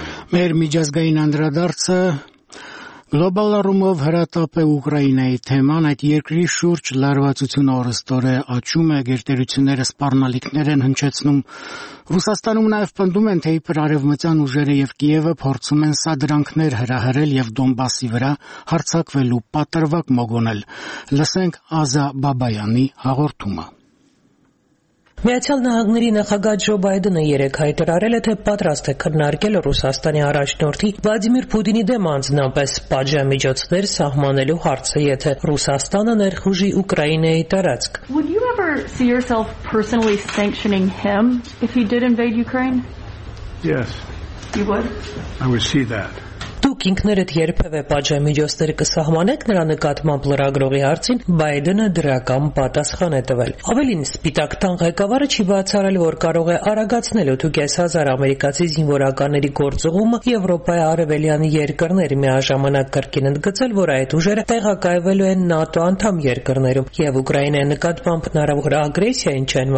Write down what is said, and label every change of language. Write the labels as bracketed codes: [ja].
[hy] Մեր միջազգային անդրադարձը Գլոբալ առումով հրատապ է Ուկրաինայի թեման, այդ երկրի շուրջ լարվածություն օրստոր է աճում է, գերտերությունները սպառնալիքներ են հնչեցնում։ Ռուսաստանում նաև պնդում են, թե իբր արևմտյան ուժերը և Կիևը փորձում են սադրանքներ հրահրել և Դոնբասի վրա հարձակվելու պատրվակ մոգոնել։ Լսենք Ազա Բաբայանի հաղորդումը։ Միացյալ Նահանգների նախագահ Ջո Բայդենը երեք հայտարարել է, թե պատրաստ է քննարկել Ռուսաստանի առաջնորդի Վլադիմիր Պուտինի դեմ անձնապես պատժամիջոցներ սահմանելու հարցը, եթե Ռուսաստանը ներխուժի Ուկրաինայի տարածք։ [en] Would you ever see yourself personally sanctioning him if he did invade Ukraine? Yes. You would? I would see that. [hy] Դուք ինքներդ երբևէ պատժամիջոցներ կսահմանեք նրա նկատմամբ լրագրողի հարցին, Բայդենը դրական պատասխան է տվել։ Ավելին, Սպիտակ տան ղեկավարը չի բացառել, որ կարող է արագացնել 8000 ամերիկացի զինվորականների գործողումը Եվրոպայի արևելյան երկրներ, միաժամանակ կրկին ընդգծել, որ այդ ուժերը տեղակայվելու են ՆԱՏՕ անդամ երկրներում և Ուկրաինայի նկատմամբ հնարավոր ագրեսիային չեն